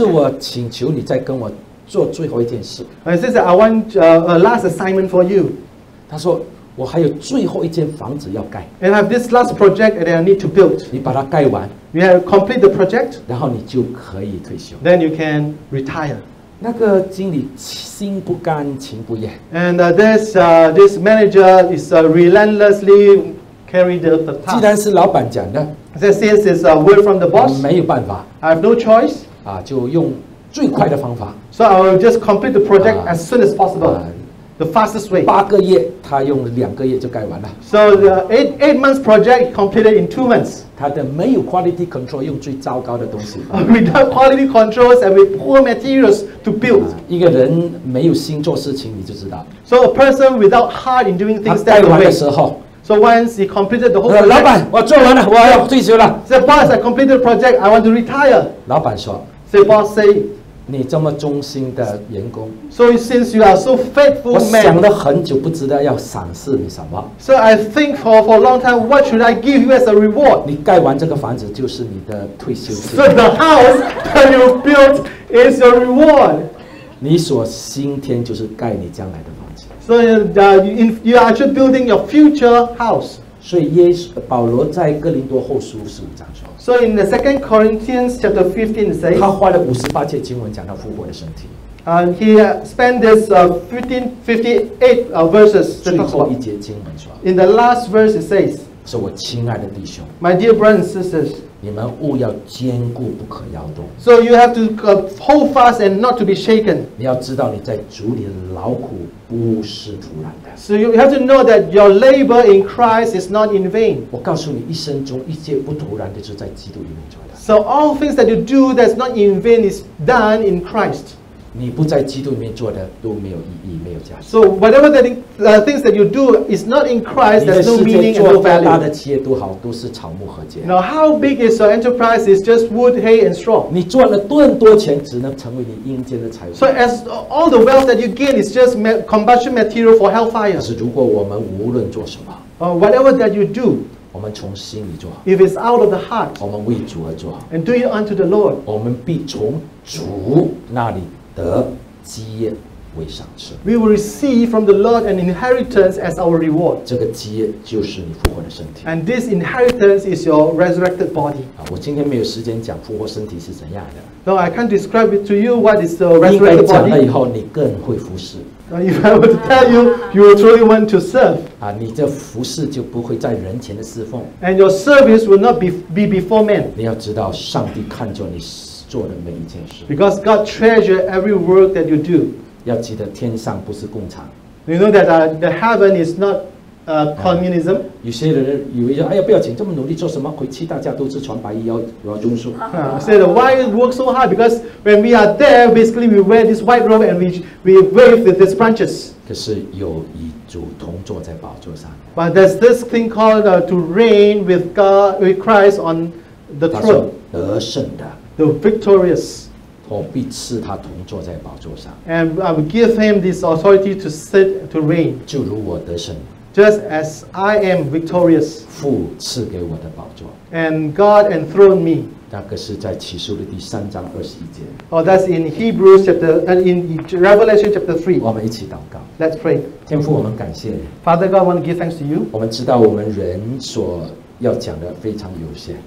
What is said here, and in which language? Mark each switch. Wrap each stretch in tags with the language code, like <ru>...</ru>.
<zh>是我请求你再跟我做最后一件事。</zh> <en>He says, I want a last assignment for you.</en> <zh>他说，我还有最后一间房子要盖。</zh> <en>And I have this last project that I need to build.</en> <zh>你把它盖完。</zh> <en>You have complete the project.</en> <zh>然后你就可以退休。</zh> <en>Then you can retire.</en> <zh>那个经理心不甘情不愿。</zh> <en>And this manager is relentlessly.</en> <zh>既然是老板讲的</zh> <en>since it's a word from the boss,</en> <zh>没有办法</zh> <en>I have no choice.</en> <zh>啊，就用最快的方法</zh> <en>So I will just complete the project as soon as possible. The fastest way.</en> <zh>八个月，他用两个月就盖完了</zh> <en>So the eight months project completed in 2 months.</en> <zh>他的没有 quality control 用最糟糕的东西</zh> <en>Without quality controls and with poor materials to build.</en> <zh>一个人没有心做事情，你就知道</zh> <en>So a person without heart in doing things that way.</en> <zh>他盖完的时候</zh> <en>So once he completed the whole project,</en> <zh>老板，我做完了，我要退休了。</zh> <en>Say, boss, I completed the project. I want to retire.</en> <zh>老板说。</zh> <en>Say, boss, say,</en> <zh>你这么忠心的员工。</zh> <en>So since you are so faithful man,</en> <zh>我想了很久，不知道要赏赐你什么。</zh> <en>So I think for a long time, what should I give you as a reward?</en> <zh>你盖完这个房子就是你的退休金。</zh> <en>So the house that you built is your reward.</en> <zh>你所新添就是盖你将来的。</zh> <en>So you are actually building your future house.</en> <zh>所以耶稣保罗在哥林多后书十五章说。</zh> <en>So in the Second Corinthians chapter 15 it says.</en> <zh>他花了五十八节经文讲到复活的身体。</zh> <en>He spent this 58 verses.</en> <zh>最后一节经文说。</zh> <en>In the last verse it says.</en> <zh>是我亲爱的弟兄。</zh> <en>My dear brothers and sisters.</en> <zh>你们务要坚固，不可摇动。</zh> <en>So you have to hold fast and not to be shaken.</en> <zh>你要知道你在主里的劳苦。不是徒然的。</zh> <en>So you have to know that your labor in Christ is not in vain.</en> <zh>我告诉你，一生中一切不徒然的，就在基督里面做的。</zh> <en>So all things that you do that's not in vain is done in Christ.</en> <zh>你不在基督里面做的都没有意义，没有价值。</zh> <en>So whatever the things that you do is not in Christ, there's no meaning and no value.</en> <zh>你的世界做多大的企业都好，都是草木和秸。</zh> <en>Now how big is your enterprise? It's just wood, hay, and straw.</en> <zh>你赚了多多钱，只能成为你阴间的财物。</zh> <en>So as all the wealth that you gain is just combustion material for hellfire.</en> <zh>但是如果我们无论做什么</zh> <en>whatever that you do.</en> <zh>我们从心里做</zh> <en>If it's out of the heart,</en> <zh>我们为主而做</zh> <en>and do it unto the Lord,</en> <zh>我们必从主那里得基业为赏赐</zh> <en>We will receive from the Lord an inheritance as our reward.</en> <zh>这个基业就是你复活的身体</zh> <en>and this inheritance is your resurrected body.</en> <zh>我今天没有时间讲复活身体是怎样的</zh> <en>No, I can't describe it to you what is the resurrected body.</en> <zh>应该讲了以后，你更会服侍。</zh> <en>If I were to tell you, you will truly want to serve.</en> <zh>啊，你这服侍就不会在人前的侍奉。</zh> <en>And your service will not be before men.</en> <zh>你要知道，上帝看重你做的每一件事。</zh> <en>Because God treasures every work that you do.</en> <zh>要记得，天上不是工厂。</zh> <en>You know that the heaven is not communism.</en> <zh>有些人以为说，哎呀，不要紧，这么努力做什么？回去大家都吃穿白衣，要庸俗。</zh> <en>Said why work so hard? Because when we are there, basically we wear this white robe and we wave with these branches.</en> <zh>可是有与主同坐在宝座上。</zh> <en>But there's this thing called to reign with God with Christ on the throne.</en> <zh>他说得胜的</zh> <en>the victorious.</en> <zh>我必赐他同坐在宝座上</zh> <en>，and I will give him this authority to sit to reign.</en> <zh>就如我得胜</zh> <en>，just as I am victorious.</en> <zh>父赐给我的宝座</zh> <en>，and God enthroned me.</en> <zh>那个是在启示录第三章二十一节。</zh> <en>Oh, that's in Hebrews chapter and in Revelation chapter 3.</en> <zh>我们一起祷告。</zh> <en>Let's pray.</en> <zh>天父，我们感谢。</zh> <en>Father God, I want to give thanks to you.</en> <zh>我们知道我们人所要讲的非常有限。</zh>